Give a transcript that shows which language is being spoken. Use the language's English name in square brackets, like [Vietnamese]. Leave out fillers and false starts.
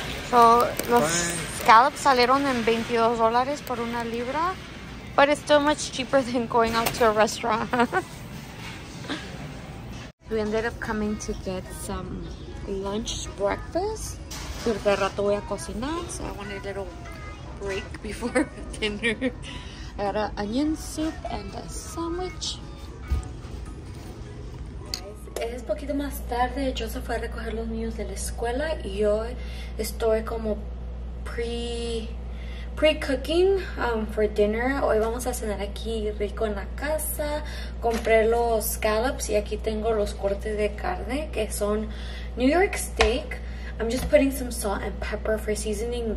[Spanish] So los scallops salieron en $22 por una libra. [English] But it's still much cheaper than going out to a restaurant. We ended up coming to get some lunch breakfast. [Spanish] Porque al rato voy a cocinar, [English] so I want a little break before dinner. I got an onion soup and a sandwich. [Spanish] Es poquito más tarde. Joseph fue a recoger los niños de la escuela y yo estoy como [English] pre-cooking for dinner. [Spanish] Hoy vamos a cenar aquí rico en la casa. Compré los scallops y aquí tengo los cortes de carne que son New York steak. [English] I'm just putting some salt and pepper for seasoning.